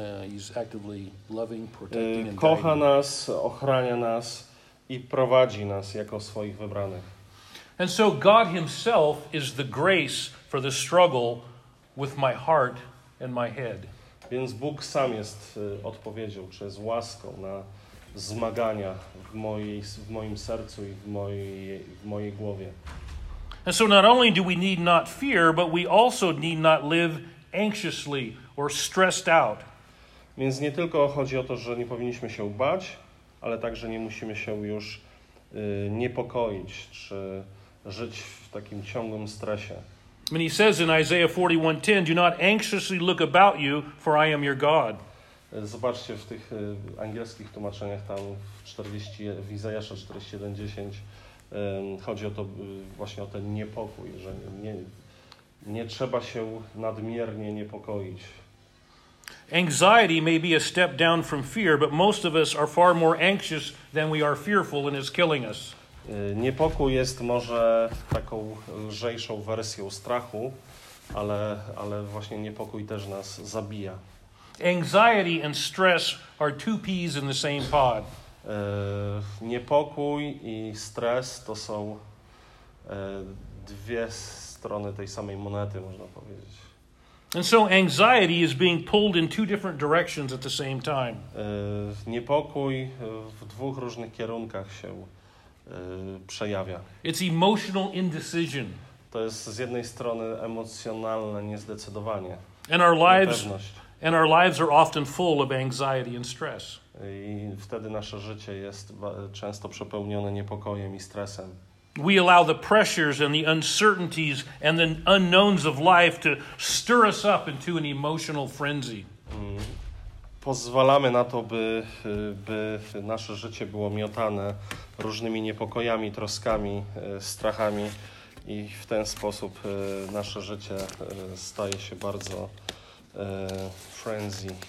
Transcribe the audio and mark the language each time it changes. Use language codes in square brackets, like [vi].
[en] He's actively loving, protecting and [pl] kocha nas, ochrania nas i prowadzi nas jako swoich wybranych. [en] And so God himself is the grace for the struggle with my heart and my head. [pl] Więc Bóg sam jest odpowiedzią czy jest łaską na zmagania w moim sercu i w mojej głowie. [en] And so not only do we need not fear, but we also need not live anxiously or stressed out. [pl] Więc nie tylko chodzi o to, że nie powinniśmy się bać, ale także nie musimy się już niepokoić czy żyć w takim ciągłym stresie. [en] And he says in Isaiah 41:10, do not anxiously look about you, for I am your God. [pl] Zobaczcie w tych angielskich tłumaczeniach tam w Izajasza 41:10. Chodzi o to właśnie o ten niepokój, że nie trzeba się nadmiernie niepokoić. [en] Anxiety may be a step down from fear, but most of us are far more anxious than we are fearful, and it's killing us. [pl] Niepokój jest może taką lżejszą wersją strachu, ale właśnie niepokój też nas zabija. [en] Anxiety and stress are two peas in the same pod. [pl] Niepokój i stres to są dwie strony tej samej monety, można powiedzieć. [en] And so anxiety is being pulled in two different directions at the same time. [pl] Niepokój w dwóch różnych kierunkach się przejawia. [en] It's emotional indecision. [pl] To jest z jednej strony emocjonalne niezdecydowanie. [en] And our lives are often full of anxiety and stress. [pl] I wtedy nasze życie jest często przepełnione niepokojem i stresem. [en] We allow the pressures and the uncertainties and the unknowns of life to stir us up into an emotional frenzy. [pl] Pozwalamy na to, by nasze życie było miotane różnymi niepokojami, troskami, strachami i w ten sposób nasze życie staje się bardzo frenzy.